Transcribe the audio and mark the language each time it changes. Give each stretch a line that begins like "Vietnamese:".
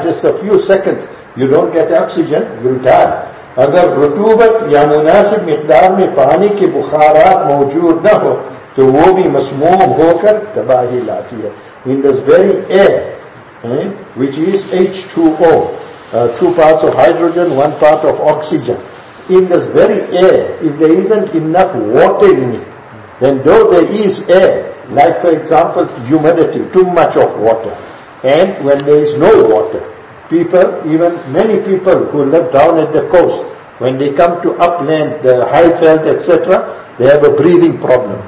English: Just a few seconds, you don't get oxygen, you'll die.
Urdu: اگر رطوبت یا مناسب مقدار میں پانی کے بخارات موجود نہ ہو تو وہ بھی مسموم ہو کر تباہی لاتی ہے.
English: In this very air, which is H2O, two parts of hydrogen, one part of oxygen. In this very air, if there isn't enough water in it, then though there is air, like for example humidity, too much of water, and when there is no water, people, even many people who live down at the coast, when they come to upland, the high veld, etc., they have a breathing problem.